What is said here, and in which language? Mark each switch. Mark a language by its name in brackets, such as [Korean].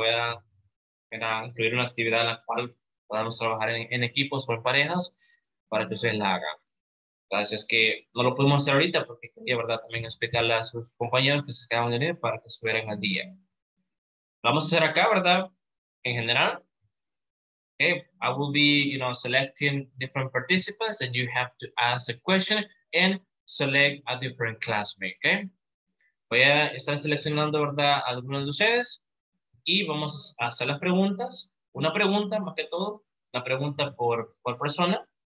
[Spanish] Voy a incluir una actividad en la cual podamos trabajar en equipos o en parejas para que ustedes la hagan. Gracias, que no lo pudimos hacer ahorita porque quería, ¿verdad?, también explicarle a sus compañeros que se acaban de ir para que estuvieran al día. Lo vamos a hacer acá, ¿verdad?, en general. [English] Okay, I will be, you know, selecting different participants and you have to ask a question and select a different classmate, okay? [Spanish] Voy a estar seleccionando, ¿verdad?, a algunos de ustedes y vamos a hacer las preguntas. Una pregunta, más que todo, una pregunta por persona.